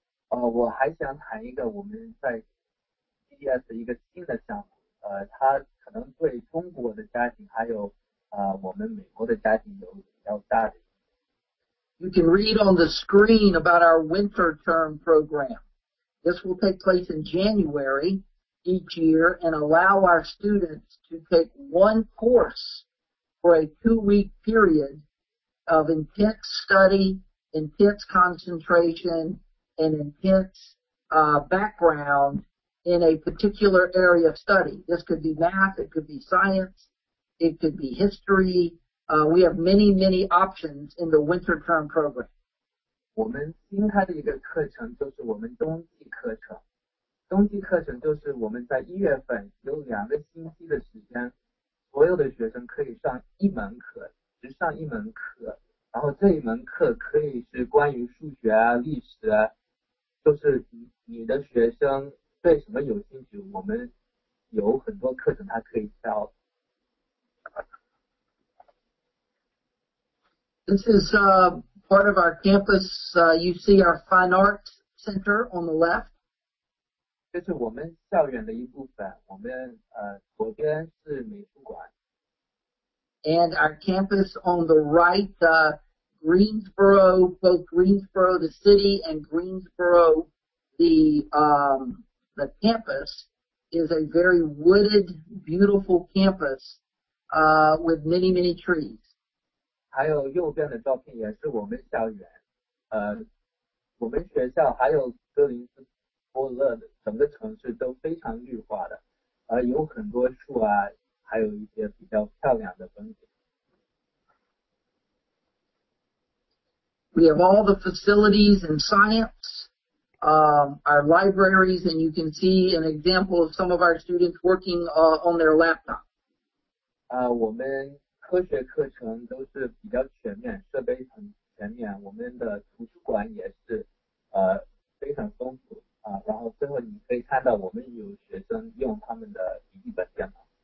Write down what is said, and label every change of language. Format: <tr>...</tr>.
<zh>我还想谈一个我们在 CDS 一个新的项目，它可能对中国的家庭还有我们美国的家庭有比较大的。</zh> <en>You can read on the screen about our winter term program. This will take place in January. Each year and allow our students to take one course for a 2-week period of intense study, intense concentration, and intense background in a particular area of study. This could be math, it could be science, it could be history. We have many, many options in the winter term program.</en> <zh>我们新开的一个课程就是我们冬季课程。冬季课程就是我们在一月份有两个星期的时间，所有的学生可以上一门课，只上一门课，然后这一门课可以是关于数学啊、历史啊，就是你的学生对什么有兴趣，我们有很多课程他可以教。</zh> <en>This is part of our campus. You see our Fine Arts Center on the left.</en> <zh>这是我们校园的一部分，我们左边是美术馆。</zh> <en>And our campus on the right, Greensboro, both Greensboro the city and Greensboro the campus is a very wooded, beautiful campus, with many, many trees.</en> <zh>还有右边的照片也是我们校园，我们学校还有格林斯伯勒的。整个城市都非常绿化的，有很多树啊，还有一些比较漂亮的风景。</zh> <en>We have all the facilities in science, our libraries, and you can see an example of some of our students working on their laptop.</en> <zh>我们科学课程都是比较全面，设备很全面，我们的图书馆也是非常丰富。然后最后你可以看到我们有学生用他们的笔记本电脑。</zh>